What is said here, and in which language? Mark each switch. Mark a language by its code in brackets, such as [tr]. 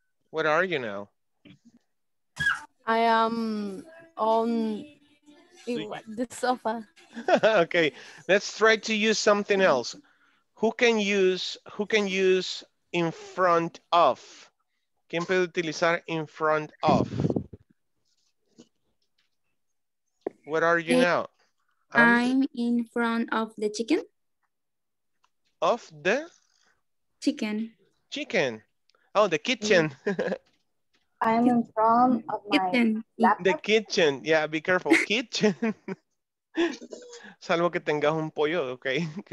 [en] What are you now? I am on the sofa. Okay, let's try to use something else. Who can use in front of? [es] ¿Quién puede utilizar [en] in front of? What are you now? I'm in front of the chicken. of the? Chicken. Chicken. Oh, the kitchen. Yeah. I'm in front of my kitchen. Laptop. The kitchen. Yeah, be careful. Kitchen. [es] Salvo que tengas un pollo, [en] okay?